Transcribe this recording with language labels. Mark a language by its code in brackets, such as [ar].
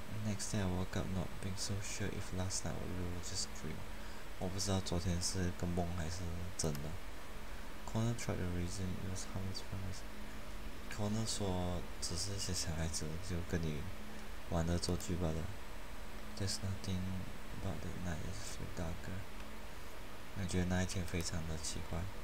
[en] Next day I woke up not being so sure if last night was really just dream. [zh] 我不知道昨天是个梦还是真的。 [en] Connor tried to reason it was harmless. [zh] Connor 说只是一些小孩子就跟你玩的做剧罢了。 [en] There's nothing but the night is so dark. [zh] 我觉得那一天非常的奇怪。